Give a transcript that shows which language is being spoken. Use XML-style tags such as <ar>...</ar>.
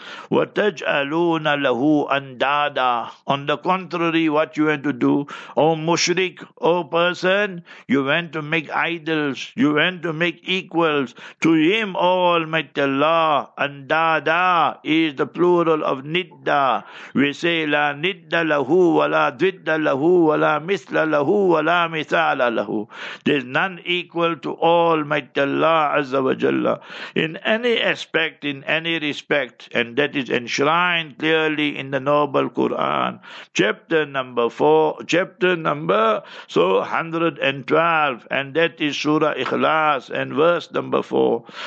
<ar>وَتَجْعَلُونَ لَهُ أَنْدَادًا.</ar> <en>On the contrary, what you want to do, O mushrik, O person, you want to make idols, you want to make equals to him, O Almighty Allah. أَنْدَادًا is the plural of nidda. We say</en> <ar>لَا نِدَّ لَهُ وَلَا دِدَّ لَهُ وَلَا مِثْلَ لَهُ وَلَا مِثَالَ لَهُ.</ar> <en>There's none equal to Almighty Allah Azza wa Jalla in any aspect, in any respect. And that is enshrined clearly in the Noble Quran, chapter number 112, and that is Surah Ikhlas and verse number 4.</en>